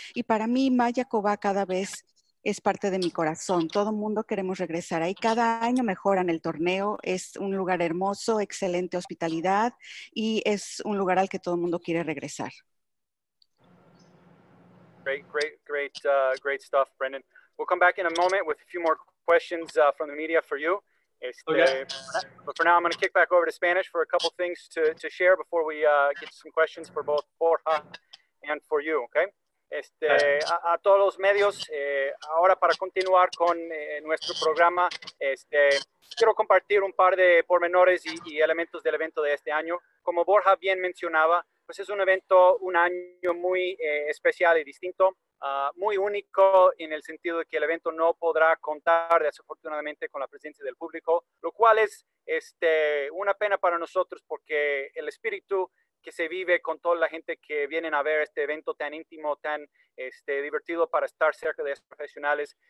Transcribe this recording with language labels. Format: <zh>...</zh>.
<es>Y para mí, Mayakoba cada vez es parte de mi corazón. Todo mundo queremos regresar ahí. Cada año mejoran el torneo. Es un lugar hermoso, excelente hospitalidad. Y es un lugar al que todo mundo quiere regresar.</es> <en>Great stuff, Brendan. We'll come back in a moment with a few more questions from the media for you. Okay. But for now, I'm going to kick back over to Spanish for a couple things to share before we get some questions for both Borja and for you, okay?</en> <es>A todos los medios, ahora para continuar con nuestro programa, quiero compartir un par de pormenores y elementos del evento de este año. Como Borja bien mencionaba, pues es un evento, un año muy especial y distinto, muy único en el sentido de que el evento no podrá contar desafortunadamente con la presencia del público, lo cual es una pena para nosotros porque el espíritu que se vive con toda la gente que vienen a ver este evento tan íntimo, tan divertido para estar cerca de estos profesionales.</es>